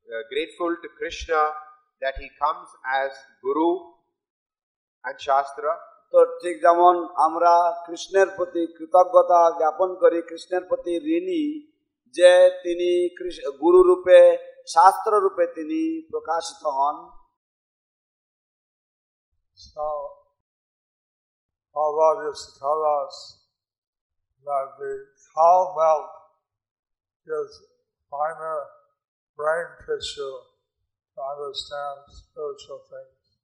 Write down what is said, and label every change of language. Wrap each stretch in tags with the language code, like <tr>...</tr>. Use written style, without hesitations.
<en>grateful to Krishna that he comes as Guru and Shastra.</en> <bn>So, ঠিক যেমন আমরা কৃষ্ণের প্রতি কৃতজ্ঞতা জ্ঞাপন করি, কৃষ্ণের প্রতি ঋণী যে তিনি গুরু রূপে শাস্ত্র রূপে তিনি প্রকাশিত হন।</bn> <en>So, all of this tells us that the cow milk is finer brain tissue to understand spiritual things.</en>